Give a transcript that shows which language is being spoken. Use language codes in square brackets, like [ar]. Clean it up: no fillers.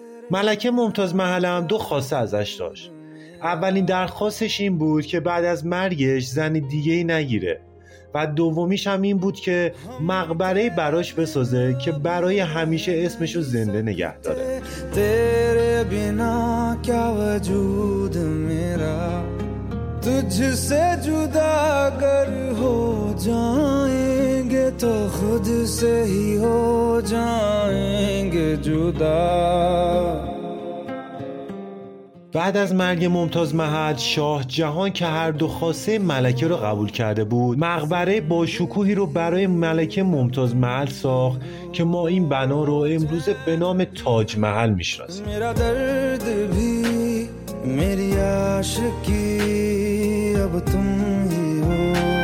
[fa] ملکه ممتاز محل هم دو خواسته ازش داشت. اولین درخواستش این بود که بعد از مرگش زن دیگه ای نگیره و دومیش هم این بود که مقبره براش بسازه که برای همیشه اسمشو زنده نگه داره. [ur] تیره بینا که وجود میرا تجھ سے جدا اگر ہو جائیں گے تو خود سے ہی ہو جائیں گے جدا. [fa] بعد از مرگ ممتاز محل، شاه جهان که هر دو خواسته ملکه رو قبول کرده بود، مقبره با شکوهی رو برای ملکه ممتاز محل ساخت که ما این بنا رو امروز به نام تاج محل میشناسیم. [ur] میرا درد بھی میری عاشقی اب تم ہی ہو.